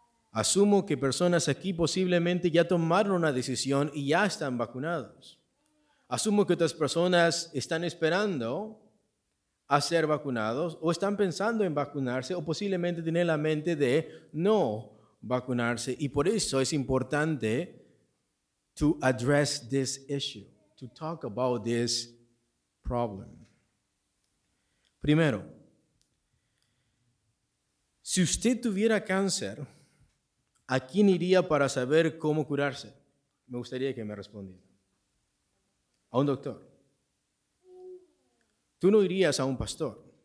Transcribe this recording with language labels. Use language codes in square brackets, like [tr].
[es] Asumo que personas aquí posiblemente ya tomaron una decisión y ya están vacunados. Asumo que otras personas están esperando a ser vacunados o están pensando en vacunarse o posiblemente tienen la mente de no vacunarse. Y por eso es importante [en] to address this issue. To talk about this problem. [es] Primero, si usted tuviera cáncer, ¿a quién iría para saber cómo curarse? Me gustaría que me respondiera. A un doctor. Tú no irías a un pastor.